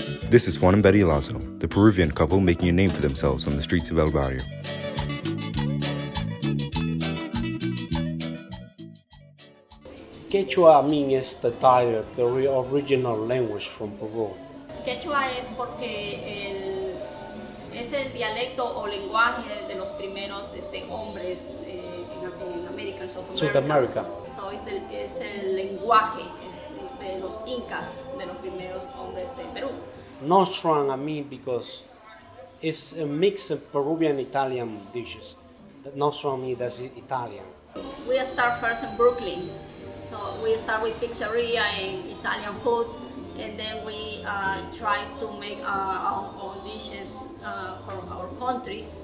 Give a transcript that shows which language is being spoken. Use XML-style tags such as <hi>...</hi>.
<en>This is Juan and Betty Lazo, the Peruvian couple making a name for themselves on the streets of El Barrio. Quechua means the dialect, the original language from Peru.</en> <es>Quechua es porque es el dialecto o lenguaje de los primeros hombres en América, en South America. So es el lenguaje de los incas, de los primeros hombres de Perú.</es> <en>Nostra, I mean, because it's a mix of Peruvian-Italian dishes. Nostra means that's Italian. We start first in Brooklyn. So we start with pizzeria and Italian food, and then we try to make our own dishes for our country.</en>